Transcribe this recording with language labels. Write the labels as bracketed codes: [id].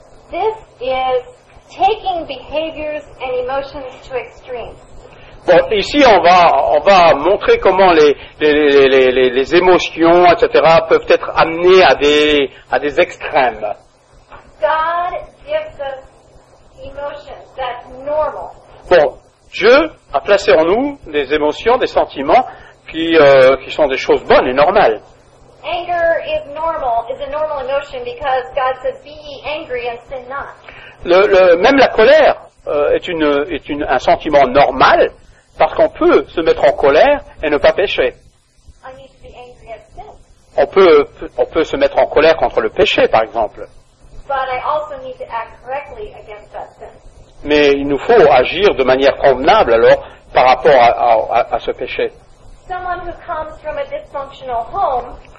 [en] This is taking behaviors and emotions to extremes. [fr] Bon, ici on va montrer comment les émotions, etc., peuvent être amenées à des extrêmes. [en] God gives us emotions. That's normal. [fr] Bon, Dieu a placé en nous des émotions, des sentiments qui sont des choses bonnes et normales. [en] Anger is normal, is a normal emotion because God says, "Be ye angry and sin not." [fr] Même la colère est un sentiment normal parce qu'on peut se mettre en colère et ne pas pécher. [en] I need to be angry at sin. [fr] On peut se mettre en colère contre le péché, par exemple. [en] But I also need to act correctly against that sin. [fr] Mais il nous faut agir de manière convenable alors par rapport à ce péché. [en] Someone who comes from a dysfunctional home.